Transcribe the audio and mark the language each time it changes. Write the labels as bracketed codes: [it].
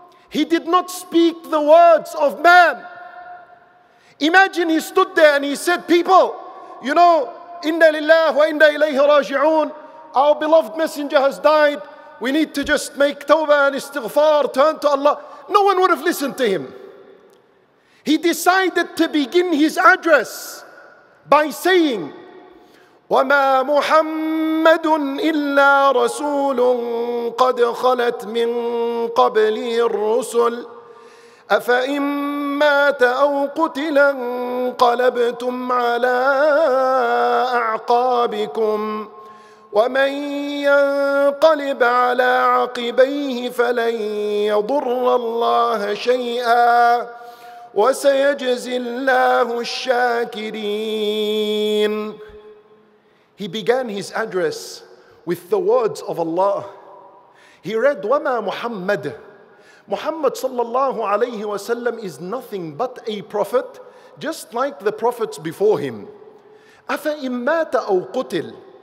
[en] He did not speak the words of man. Imagine he stood there and he said, people, you know, [ar] inna lillahi wa inna ilayhi raji'un, [en] our beloved messenger has died. We need to just make tawbah and istighfar, turn to Allah. No one would have listened to him. He decided to begin his address by saying, [ar] وَمَا مُحَمَّدٌ إِلَّا رَسُولٌ قَدْ خَلَتْ مِنْ قَبْلِهِ الرُّسُلُ أَفَإِن مَاتَ أَوْ قُتِلَ انْقَلَبْتُمْ عَلَىٰ أَعْقَابِكُمْ وَمَنْ يَنْقَلِبْ عَلَىٰ عَقِبَيْهِ فَلَنْ يَضُرَّ اللَّهَ شَيْئًا وَسَيَجْزِي اللَّهُ الشَّاكِرِينَ. [en] He began his address with the words of Allah. He read, [ar] وَمَا مُحَمَّدْ. [en] Muhammad sallallahu alayhi wa sallam is nothing but a prophet, just like the prophets before him. [ar] أَفَإِن مَاتَ أَوْ قُتِلْ.